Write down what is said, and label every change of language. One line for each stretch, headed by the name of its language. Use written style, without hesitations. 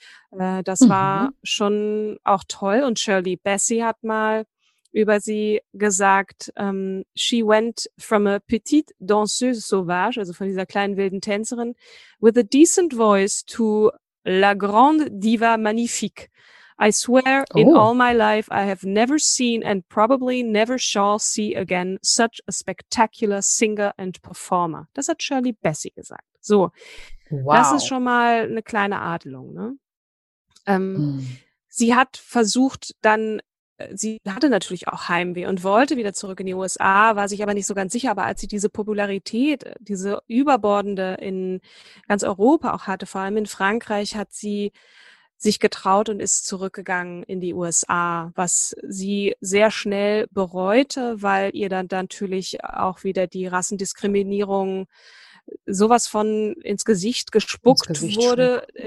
German: Das war schon auch toll, und Shirley Bassey hat mal über sie gesagt,
English: she went from a petite danseuse sauvage,
German: also von dieser kleinen wilden Tänzerin,
English: with a decent voice to la grande diva magnifique. I swear, in all my life, I have never seen and probably never shall see again such a spectacular singer and performer.
German: Das hat Shirley Bassey gesagt. So, Das ist schon mal eine kleine Adelung. Ne? Sie hat versucht, dann, sie hatte natürlich auch Heimweh und wollte wieder zurück in die USA, war sich aber nicht so ganz sicher. Aber als sie diese Popularität, diese überbordende in ganz Europa auch hatte, vor allem in Frankreich, hat sie sich getraut und ist zurückgegangen in die USA, was sie sehr schnell bereute, weil ihr dann natürlich auch wieder die Rassendiskriminierung sowas von ins Gesicht gespuckt wurde.